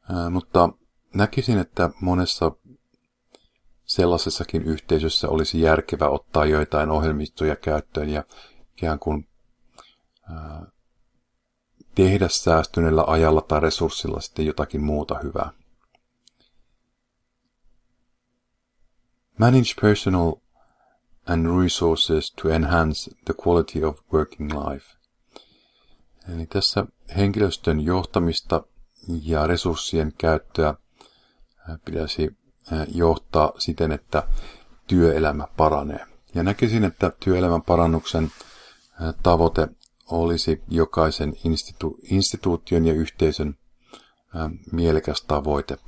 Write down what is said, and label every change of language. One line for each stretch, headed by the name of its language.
Finnish: Mutta näkisin, että monessa sellaisessakin yhteisössä olisi järkevää ottaa joitain ohjelmistoja käyttöön ja ikään kuin tehdä säästyneellä ajalla tai resurssilla sitten jotakin muuta hyvää.
English: Manage personal and resources to enhance the quality of working life.
Finnish: Eli tässä henkilöstön johtamista ja resurssien käyttöä pitäisi johtaa siten, että työelämä paranee. Ja näkisin, että työelämän parannuksen tavoite olisi jokaisen instituution ja yhteisön mielekäs tavoite.